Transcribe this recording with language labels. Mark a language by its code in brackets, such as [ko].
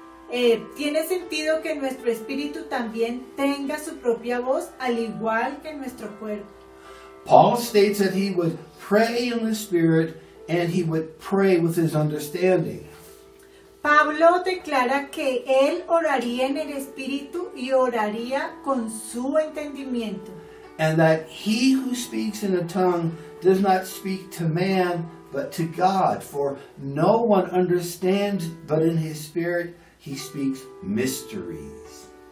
[es] Tiene sentido que nuestro espíritu también tenga su propia voz al igual que nuestro cuerpo. [en] Paul states that he would pray in the spirit and he would pray with his understanding. [es] Pablo declara que él oraría en el Espíritu y oraría con su entendimiento. [en] And that he who speaks in a tongue does not speak to man, but to God. For no one understands, but in his spirit he speaks mysteries.